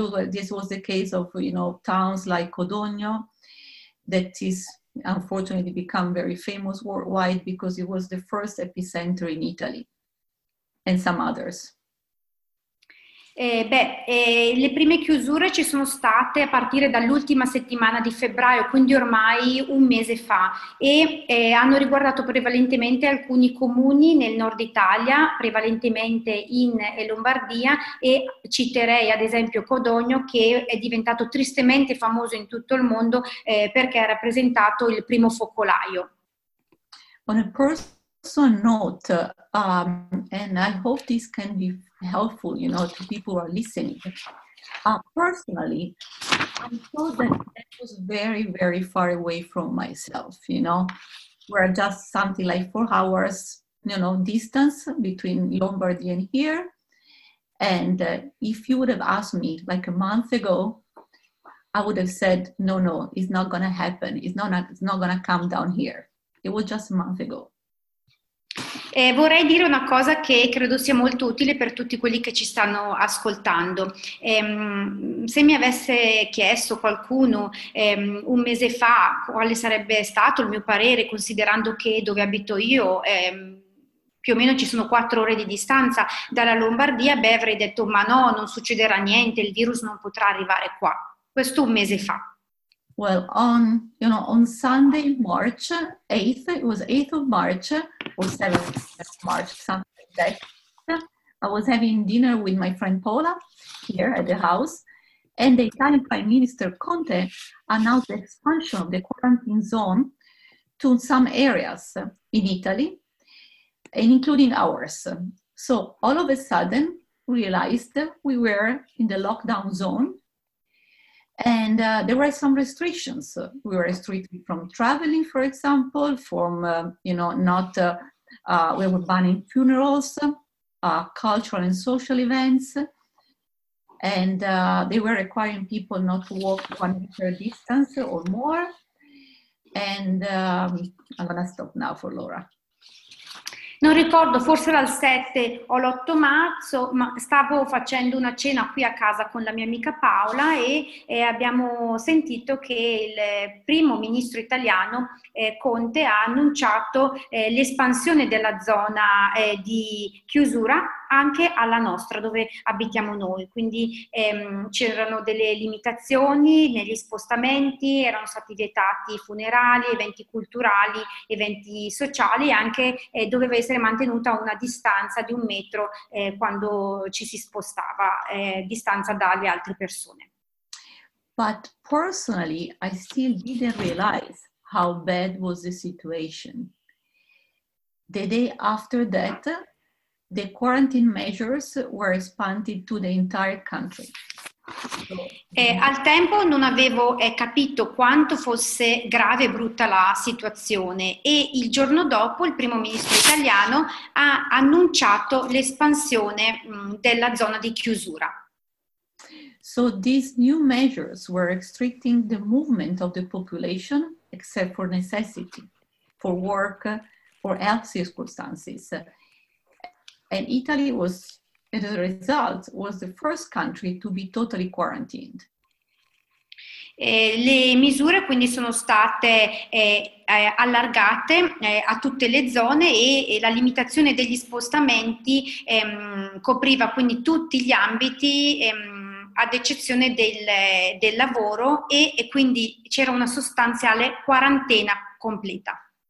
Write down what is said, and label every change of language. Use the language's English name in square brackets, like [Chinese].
[English] This was the case of, you know, towns like Codogno, that is unfortunately become very famous worldwide because it was the first epicenter in Italy, and some others. [Italian] Le prime chiusure ci sono state a partire dall'ultima settimana di febbraio, quindi ormai un mese fa, e hanno riguardato prevalentemente alcuni comuni nel nord Italia, prevalentemente in Lombardia, e citerei ad esempio Codogno, che è diventato tristemente famoso in tutto il mondo perché ha rappresentato il primo focolaio. [English] On a personal note, and I hope this can be helpful, you know, to people who are listening. Personally, I thought that that was very, very far away from myself, you know. We're just something like 4 hours, you know, distance between Lombardy and here. And if you would have asked me like a month ago, I would have said, no, it's not going to happen. It's not going to come down here. It was just a month ago. [Italian] Vorrei dire una cosa che credo sia molto utile per tutti quelli che ci stanno ascoltando. Se mi avesse chiesto qualcuno un mese fa quale sarebbe stato il mio parere, considerando che dove abito io più o meno ci sono 4 ore di distanza dalla Lombardia, beh, avrei detto ma no, non succederà niente, il virus non potrà arrivare qua. Questo un mese fa. [English] Well, on, you know, on Sunday, March 8th, it was 8th of March, or 7th of March, something like that, I was having dinner with my friend Paola here at the house, and the Italian Prime Minister Conte announced the expansion of the quarantine zone to some areas in Italy, and including ours. So all of a sudden, we realized that we were in the lockdown zone. And there were some restrictions. We were restricted from traveling, for example, from, we were banning funerals, cultural and social events. And they were requiring people not to walk 1 meter distance or more. And I'm gonna stop now for Laura. [Italian] Non ricordo, forse dal 7 o l'8 marzo, ma stavo facendo una cena qui a casa con la mia amica Paola e abbiamo sentito che il primo ministro italiano Conte ha annunciato l'espansione della zona di chiusura anche alla nostra, dove abitiamo noi. Quindi c'erano delle limitazioni negli spostamenti, erano stati vietati funerali, eventi culturali, eventi sociali, anche doveva essere mantenuta una distanza di 1 metro quando ci si spostava, distanza dalle altre persone. [English] But personally, I still didn't realize how bad was the situation. The day after that, the quarantine measures were expanded to the entire country. [Italian] Al tempo non avevo capito quanto fosse grave e brutta la situazione e il giorno dopo il primo ministro italiano ha annunciato l'espansione della zona di chiusura. [English] So these new measures were restricting the movement of the population except for necessity, for work, for health circumstances. And Italy was, as a result, was the first country to be totally quarantined. [Italian] Le misure quindi sono state allargate a tutte le zone e la limitazione degli spostamenti copriva quindi tutti gli ambiti ad eccezione del lavoro e quindi c'era una sostanziale quarantena completa.